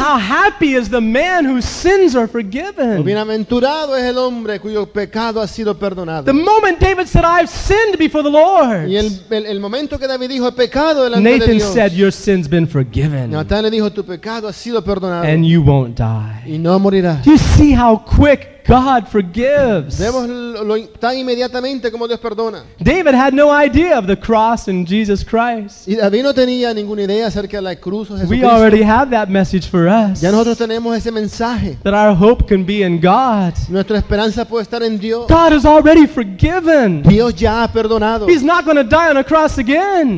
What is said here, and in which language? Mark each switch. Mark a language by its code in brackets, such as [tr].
[en] How happy is the man whose sins are forgiven. [es] Bienaventurado es el hombre cuyo pecado ha sido perdonado. [en] The moment David said, I've sinned before the Lord. [es] Y el momento que David dijo, he pecado delante Nathan de Dios. [en] Nathan said, your sin's been forgiven. [es] Natán le dijo, tu pecado ha sido perdonado. [en] And you won't die. [es] Y no morirás. [en] Do you see how quick God forgives. [es] Vemos lo tan inmediatamente como Dios perdona. [en] David had no idea of the cross in Jesus Christ. [es] Y David no tenía ninguna idea acerca de la cruz de [en] Jesucristo. We already have that message for us. [es] Ya nosotros tenemos ese mensaje. [en] That our hope can be in God. [es] Nuestra esperanza puede estar en Dios. [en] God is already forgiven. [es] Dios ya ha perdonado. [en] He's not going to die on a cross again.